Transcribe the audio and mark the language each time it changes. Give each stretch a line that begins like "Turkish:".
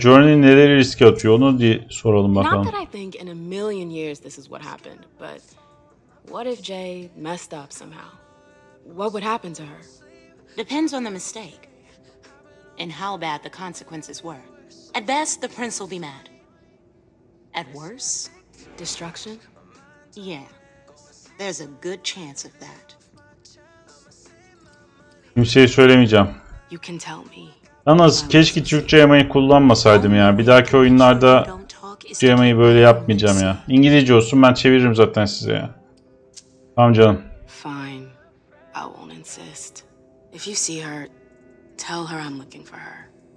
Turkish: Journey neleri riske atıyor onu diye soralım bakalım.
English: Not that I think in a million years this is what happened, but what if Jay messed up somehow? What would happen to her? Depends on the mistake and how bad the consequences were. At best, the prince will be mad. At worst, destruction? Yeah, there's a good chance of that.
Turkish: Kimseye söylemeyeceğim.
English: You can tell me.
Turkish: Yalnız keşke Türkçe yemeği kullanmasaydım ya. Bir dahaki oyunlarda Türkçe yemeği böyle yapmayacağım ya. İngilizce olsun, ben çeviririm zaten size ya. Tamam canım.
English: Fine. I won't insist. If you see her, tell her I'm looking for her.